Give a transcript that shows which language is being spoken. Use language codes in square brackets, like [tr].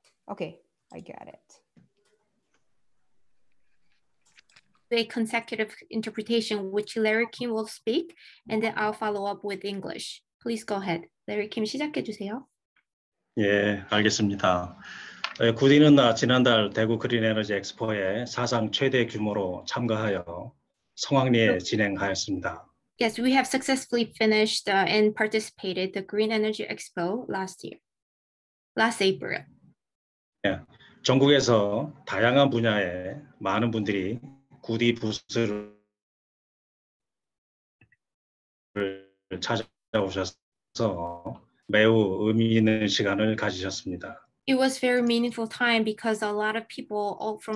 [en] Okay, I get it. The consecutive interpretation, which Larry Kim will speak, and then I'll follow up with English. Please go ahead. Larry Kim, [ko] 시작해 주세요. 예, 알겠습니다. 구디는 지난달 대구 그린 에너지 엑스포에 사상 최대 규모로 참가하여 성황리에 진행하였습니다. [en] Yes, we have successfully finished and participated the Green Energy Expo last April. Yeah. [ko] 전국에서 다양한 분야에 많은 분들이 구디 부스를 찾아오셔서 매우 의미 있는 시간을 가지셨습니다. [en] It was very meaningful time because a lot of people all from